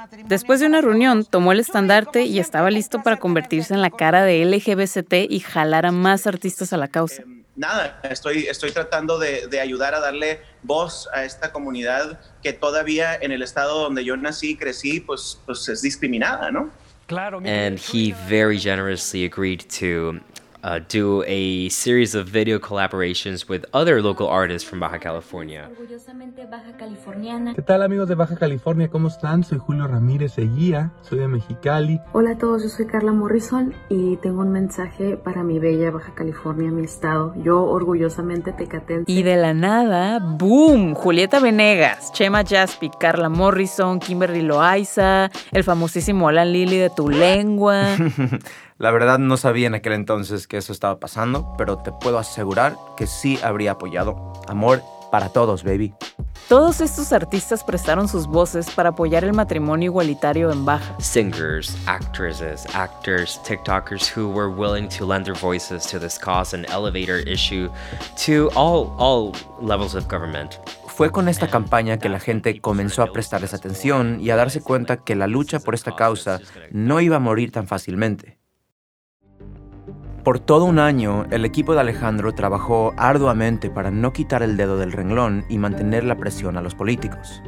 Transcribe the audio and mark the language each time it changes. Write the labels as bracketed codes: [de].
[es] Después de una reunión, tomó el estandarte y estaba listo para convertirse en la cara de LGBT y jalar a más artistas a la causa. Nada, estoy tratando de ayudar a darle voz a esta comunidad que todavía en el estado donde yo nací y crecí, pues es discriminada, ¿no? Claro. [en] And he very generously agreed to do a series of video collaborations with other local artists from Baja California. [es] Orgullosamente Baja Californiana. ¿Qué tal, amigos de Baja California? ¿Cómo están? Soy Julio Ramírez Eguía, soy de Mexicali. Hola a todos, yo soy Carla Morrison y tengo un mensaje para mi bella Baja California, mi estado. Yo orgullosamente tecatense. Y de la nada, ¡boom! Julieta Venegas, Chema Jaspi, Carla Morrison, Kimberly Loaiza, el famosísimo Alan Lili de Tu Lengua. La verdad, no sabía en aquel entonces que eso estaba pasando, pero te puedo asegurar que sí habría apoyado. Amor para todos, baby. Todos estos artistas prestaron sus voces para apoyar el matrimonio igualitario en Baja. [en] Singers, actresses, actors, TikTokers who were willing to lend their voices to this cause and elevate our issue to all levels of government. [es] Fue con esta campaña que la gente comenzó a prestarles atención y a darse cuenta que la lucha por esta causa no iba a morir tan fácilmente. Por todo un año, el equipo de Alejandro trabajó arduamente para no quitar el dedo del renglón y mantener la presión a los políticos.